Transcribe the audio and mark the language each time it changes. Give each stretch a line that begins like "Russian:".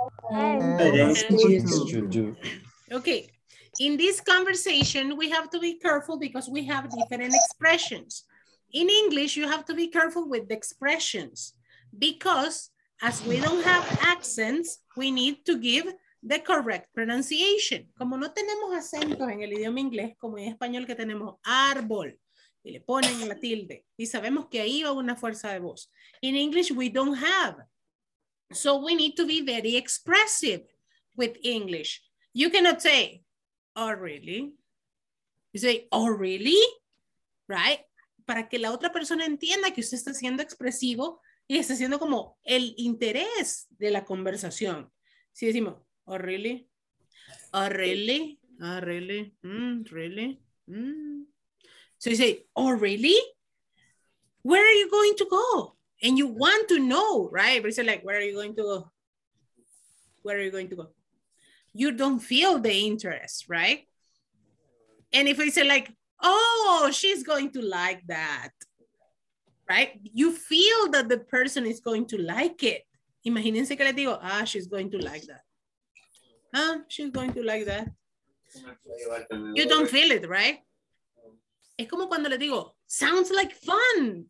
English: Okay, in this conversation, we have to be careful because we have different expressions. In English, you have to be careful with the expressions because as we don't have accents, we need to give the correct pronunciation.
Spanish: Como no tenemos acentos en el idioma inglés, como en español que tenemos árbol, y le ponen la tilde, y sabemos que ahí va una fuerza de voz.
English: In English, we don't have. So we need to be very expressive with English. You cannot say, oh, really? You say, oh, really? Right?
Spanish: Para que la otra persona entienda que usted está siendo expresivo y está siendo como el interés de la conversación. Si decimos,
English: oh, really? Oh, really? Oh, really? Really? So you say, oh, really? Where are you going to go? And you want to know, right? But it's like, where are you going to go? Where are you going to go? You don't feel the interest, right? And if I say like, oh, she's going to like that, right? You feel that the person is going to like it.
Spanish: Imagínense que le digo,
English: ah, she's going to like that. Huh? She's going to like that. You don't feel it, right?
Spanish: Es como cuando le digo,
English: sounds like fun.